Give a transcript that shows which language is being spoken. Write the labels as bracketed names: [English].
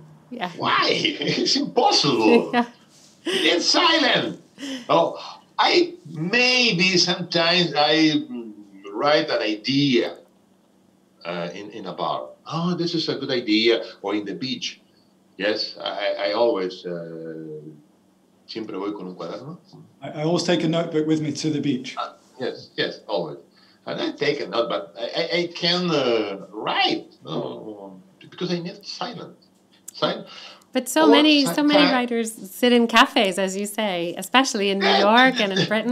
[English] yeah. Why? It's impossible. Yeah. It's silent. Oh, I maybe sometimes I write an idea in a bar. Oh, this is a good idea, or in the beach. Yes, I always [Spanish] siempre voy con un cuaderno. [English] I always take a notebook with me to the beach. Yes, always. And I take a note, but I can write, you know, because I need silence. But so many writers sit in cafes, as you say, especially in New York and in Britain.